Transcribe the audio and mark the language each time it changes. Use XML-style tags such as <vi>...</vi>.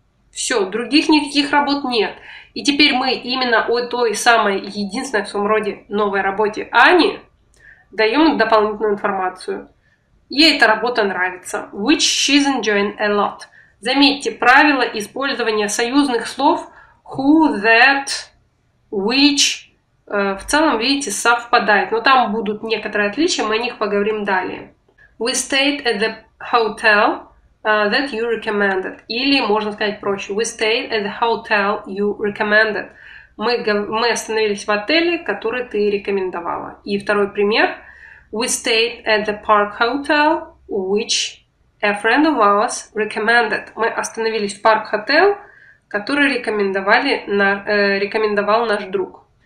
<ru>Все, других никаких работ нет. И теперь мы именно о той самой единственной в своем роде новой работе Ани даем дополнительную информацию. Ей эта работа нравится.</ru> <en>Which she's enjoying a lot.</en> <ru>Заметьте, правило использования союзных слов who, that, which, в целом, видите, совпадает. Но там будут некоторые отличия, мы о них поговорим далее.</ru> <en>We stayed at the hotel that you recommended.</en> <ru>Или, можно сказать проще,</ru> <en>we stayed at the hotel you recommended.</en> <ru>Мы остановились в отеле, который ты рекомендовала. И второй пример.</ru> <en>We stayed at the park hotel, which a friend of ours recommended.</en> <ru>Мы остановились в парк-хотел, который рекомендовал наш друг.</ru>